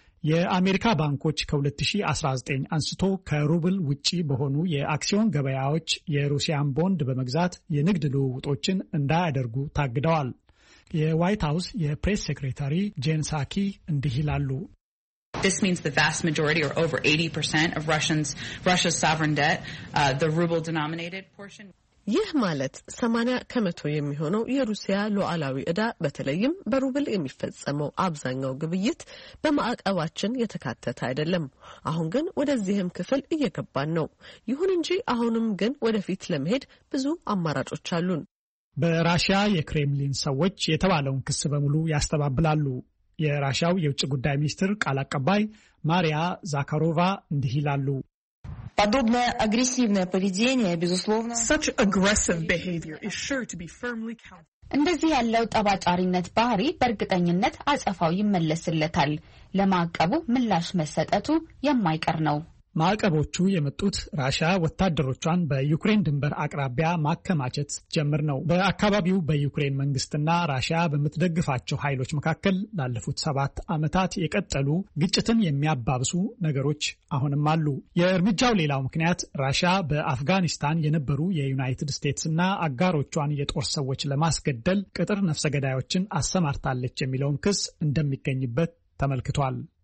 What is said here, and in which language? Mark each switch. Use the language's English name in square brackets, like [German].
[Amharic] የአሜሪካ ባንኮች ከ2019 አንስቶ ከሩብል ውጪ በሆኑ የአክሲዮን ገበያዎች የሩሲያን ቦንድ በመግዛት የንግድ ልውውጦችን እንዳያደርጉ ታግደዋል። የዋይት ሃውስ የፕሬስ ሴክሬታሪ ጄን ሳኪ እንዲህ ይላሉ። [English] This means the vast majority or over 80% of Russia's sovereign debt, the ruble denominated portion. [Amharic] ይህ ማለት 80% የሚሆነው የሩሲያ ሉዓላዊ ዕዳ በተለይም በሩብል የሚፈጸመው አብዛኛው ግብይት በማዕቀባችን የተካተተ አይደለም። አሁን ግን ወደዚህም ክፍል እየገባን ነው። ይሁን እንጂ አሁንም ግን ወደፊት ለመሄድ ብዙ አማራጮች አሉን። በራሽያ የክሬምሊን ሰዎች የተባለውን ክስ በሙሉ ያስተባብላሉ። የራሽያው የውጭ ጉዳይ ሚኒስትር ቃል አቀባይ ማሪያ ዛካሮቫ እንዲህ ይላሉ። [Russian] Подобное агрессивное поведение, безусловно, [English] such aggressive behavior is sure to be firmly countered. [Amharic] እንደዚህ ያለው ጠባጫሪነት ባህሪ በርግጠኝነት አጸፋው ይመለስለታል። ለማቀቡ ምላሽ መሰጠቱ የማይቀር ነው። ማቀቦቹ የመጡት ራሻ ወታደሮቿን በዩክሬን ድንበር አቅራቢያ ማከማቸት ጀምር ነው። በአካባቢው በዩክሬን መንግስትና ራሻ በመትደግፋቸው ኃይሎች መካከል ላለፉት 7 አመታት የቀጠሉ ግጭትን የሚያባብሱ ነገሮች አሁንም አሉ። የርምጃው ሌላው ምክንያት ራሻ በአፍጋኒስታን የነበሩ የዩናይትድ ስቴትስና አጋሮቿን የጦር ሰዎች ለማስገደል ቅጥር ነፍሰ ገዳዮችን አሰማርታለች የሚለውን ክስ እንደሚገኝበት ተመልክቷል።